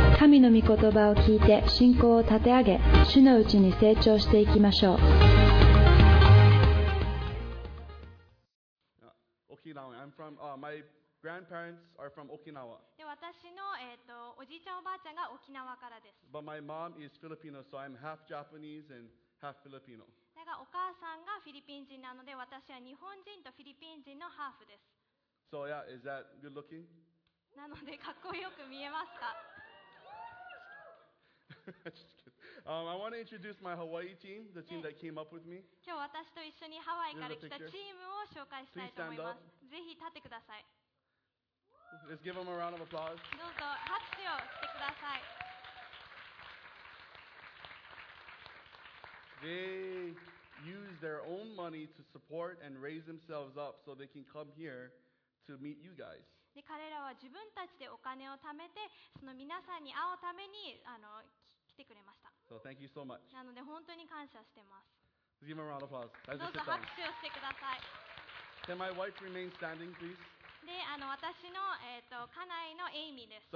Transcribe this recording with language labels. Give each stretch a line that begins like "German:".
Japanese: 神の御言葉を聞いて信仰を立て上げ、主のうちに成長していきましょう。
English: I'm from, my grandparents are from Okinawa.
Japanese: で、私の、おじいちゃんおばあちゃんが沖縄からです。
English: But my mom is Filipino, so I'm half Japanese and half Filipino.
Japanese: だがお母さんがフィリピン人なので、私は日本人とフィリピン人のハーフです。
English: So yeah, is that good looking?
Japanese: なので、かっこよく見えますか?
English: Just kidding. I want to introduce my Hawaii team, the team that came up with me.
Japanese: 今日私と一緒にハワイから来たチームを紹介したいと思います。ぜひ立ってください。
English: Let's give them a round of applause.
Japanese: どうぞ拍手をしてください。
English: They use their own money to support and raise themselves up so they can come here to meet you guys.
Japanese: で、彼らは自分たちでお金を貯めて、その皆さんに会うために来てくれました。
English: So thank you so much.
Japanese: なので本当に感謝してます。
English: Let's give them a round of applause.
Japanese: どうぞ拍手をしてください。
English: Can my wife remain standing, please?
Japanese: で、私の、家内のエイミーです。